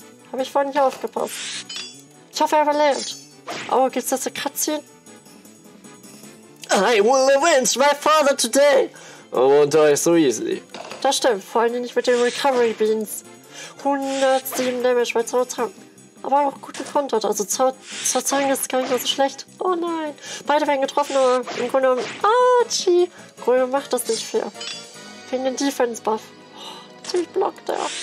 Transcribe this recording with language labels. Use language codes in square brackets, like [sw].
[de] Habe ich vorhin nicht aufgepasst. Ich hoffe, er überlebt. Oh, gibt's das eine Cutscene? [en] I will avenge my father today! I won't die so easily. [de] Das stimmt, vor allem nicht mit den Recovery Beans. 107 Damage bei Zhaojiang. Aber auch gut gekontert, also Zhaojiang ist gar nicht so schlecht. Oh nein, beide werden getroffen, aber im Grunde genommen... Ouchie! Grüne macht das nicht fair. Wegen den Defense Buff. Oh, natürlich blockt er.